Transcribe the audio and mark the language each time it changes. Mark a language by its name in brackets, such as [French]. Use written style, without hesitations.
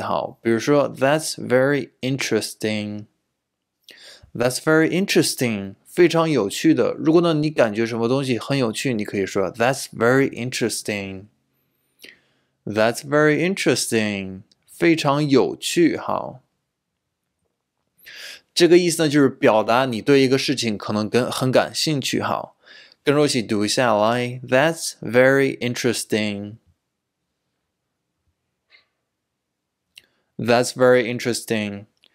[Chinese] 好，比如说 [English] ，That's very interesting. That's very interesting. [Chinese] 非常有趣的。如果呢，你感觉什么东西很有趣，你可以说 ， [English] That's very interesting. That's very interesting. [Chinese] 非常有趣。好。这个意思呢，就是表达你对一个事情可能很感兴趣。好，跟着我一起读一下来。 [English] That's very interesting. That's very interesting.